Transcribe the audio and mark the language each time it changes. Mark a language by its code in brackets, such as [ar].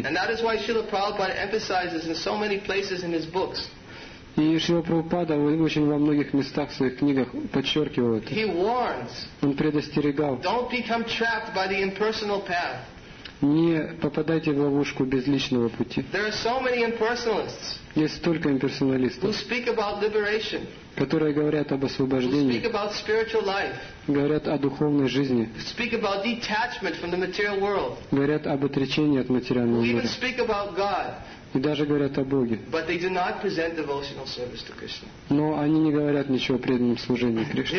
[ru] И это почему Шрила Прабхупада эмфасизирует в столько местах в своих книгах. И Шрила Прабхупада очень во многих местах в своих книгах подчеркивал это. [en] He warns, [ru] он предостерегал. [en] Don't become trapped by the impersonal path. [ru] Не попадайте в ловушку безличного пути. [en] There are so many impersonalists, [ru] есть столько имперсоналистов, [en] who speak about liberation, [ru] которые говорят об освобождении, [en] who speak about spiritual life, [ru] говорят о духовной жизни, [en] speak about detachment from the material world, [ru] говорят об отречении от материального мира, [en] even speak about God. [ru] И даже говорят о Боге. [en] But they do not present devotional service to Krishna. [ru] Но они не говорят ничего о преданном служении Кришне.